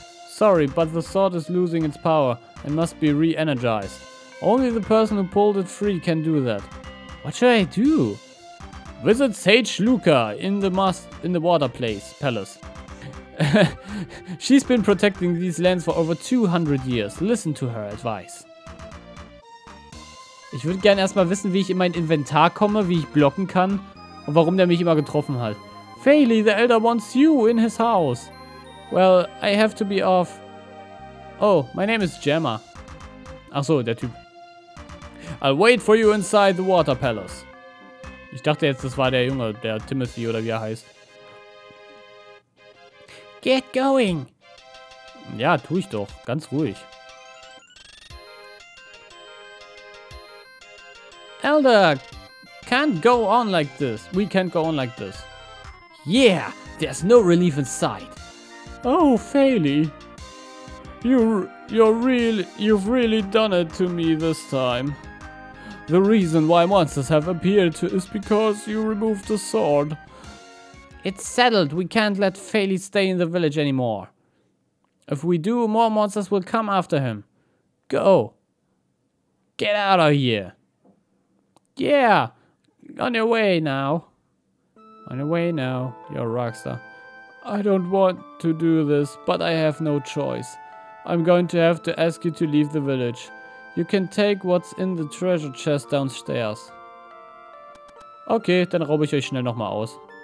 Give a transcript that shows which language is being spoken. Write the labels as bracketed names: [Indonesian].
[English] Sorry, but the sword is losing its power and must be re-energized. Only the person who pulled it free can do that. What should I do? Visit Sage Luca in the Water Palace. She's been protecting these lands for over 200 years. Listen to her advice. [German] Ich würde gerne erstmal wissen, wie ich in mein Inventar komme, wie ich blocken kann und warum der mich immer getroffen hat. [English] Feili, the elder wants you in his house. Well, I have to be off. Oh, my name is Gemma. [German] Ach so, der Typ. [English] I'll wait for you inside the Water Palace. [German] Ich dachte jetzt, das war der Junge, der Timothy oder wie er heißt. [English] Get going. [German] Ja, tu ich doch. Ganz ruhig. [English] Elder, can't go on like this. We can't go on like this. Yeah, there's no relief in sight. Oh, Feili. You've really done it to me this time. The reason why monsters have appeared is because you removed the sword. It's settled. We can't let Feili stay in the village anymore. If we do, more monsters will come after him. Go. Get out of here. Yeah. On your way now, you're a rockstar. I don't want to do this, but I have no choice. I'm going to have to ask you to leave the village. You can take what's in the treasure chest downstairs. [German] Okay, dann raube ich euch schnell nochmal aus.